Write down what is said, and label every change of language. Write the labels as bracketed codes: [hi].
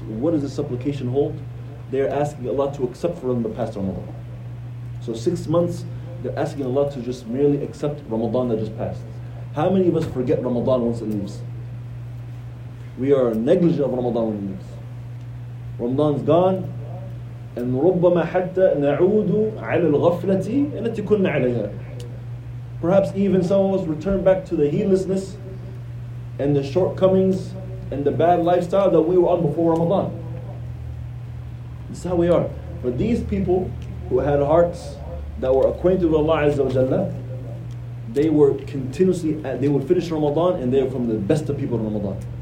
[en] What does this supplication hold? They are asking Allah to accept for them the past Ramadan. So 6 months, they're asking Allah to just merely accept Ramadan that just passed. How many of us forget Ramadan once it leaves? We are negligent of Ramadan when it leaves. Ramadan's gone. [ar] And ربما حتى نعود على الغفلة التي كنا عليها. [en] Perhaps even some of us return back to the heedlessness and the shortcomings and the bad lifestyle that we were on before Ramadan. This is how we are. But these people who had hearts that were acquainted with Allah Azza wa Jalla, they were continuously, they would finish Ramadan and they were from the best of people in Ramadan.